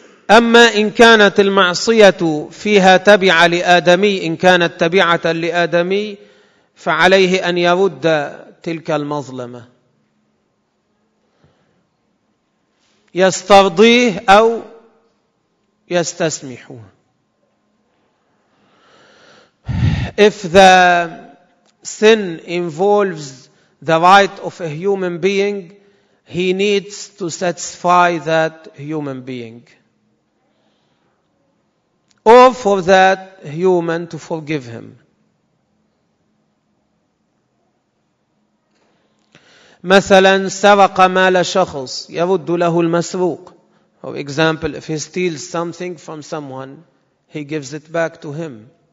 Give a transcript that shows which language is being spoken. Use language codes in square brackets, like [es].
[ar] أما إن كانت المعصية فيها تبعة لآدمي، إن كانت تبعة لآدمي فعليه أن يرد تلك المظلمة، يسترضيه أو يستسمحه. [en] If the sin involves the right of a human being, he needs to satisfy that human being. Or for that human to forgive him. [ar] مثلا سرق مال شخص يرد له المسروق. [en] For example, if he steals something from someone, he gives it back to him.